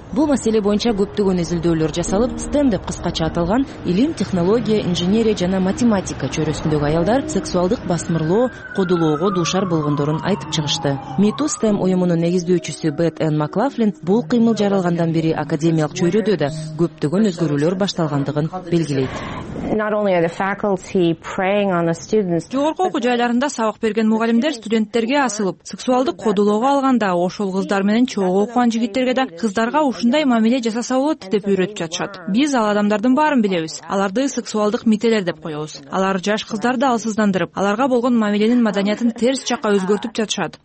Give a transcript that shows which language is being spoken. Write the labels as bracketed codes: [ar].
[ky] Бул маселе боюнча көптөгөн изилдөөлөр жасалып, стендап кыскача аталган илим, технология, инженерия жана математика чөйрөсүндөгү аялдар сексуалдык басмырлоо, кодулоого дуушар болгондорун айтып чыгышты. Митуу STEM уюмунун негиздөөчүсү Бет Энн Маклафлин бул кыймыл жаралгандан бери академиялык чөйрөдө да көптөгөн өзгөрүүлөр башталгандыгын белгилейт. [en] Not only are the faculty preying on the students. [ky] Жогорку окуу жайларында сабак берген мугалимдер студенттерге асылып, сексуалдык кодулоого алганда ошол кыздар менен чогуу окуган жигиттерге да кыздарга ушундай мамиле жасаса болот деп үйрөтүп жатышат. Биз ал адамдардын баарын билебиз. Аларды сексуалдык мителер деп коебуз. Алар жаш кыздарды алсыздандырып, аларга болгон мамиленин маданиятын терс жакка өзгөртүп жатышат.